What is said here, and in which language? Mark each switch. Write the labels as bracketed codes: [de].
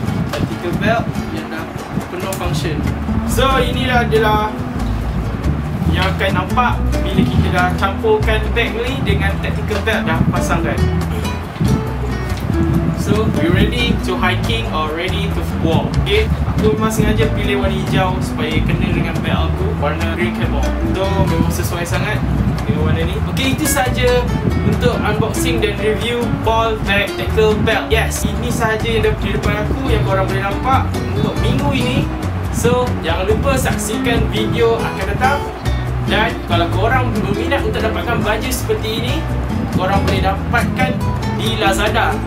[ms] Tactical belt yang dah penuh function. So inilah adalah yang akan nampak bila kita dah campurkan bag ni dengan tactical belt dah pasangkan. [en] So, you ready to hiking or ready to walk? [ms] Okay, aku memang sengaja pilih warna hijau supaya kena dengan belt aku, warna [en] green camel. [ms] So, memang sesuai sangat dengan warna ni. Okay, itu sahaja untuk unboxing dan review ball bag tactical belt. Yes, ini sahaja yang ada di depan aku yang korang boleh nampak untuk minggu ini. So, jangan lupa saksikan video akan datang. Dan kalau korang berminat untuk dapatkan baju seperti ini, korang boleh dapatkan di Lazada.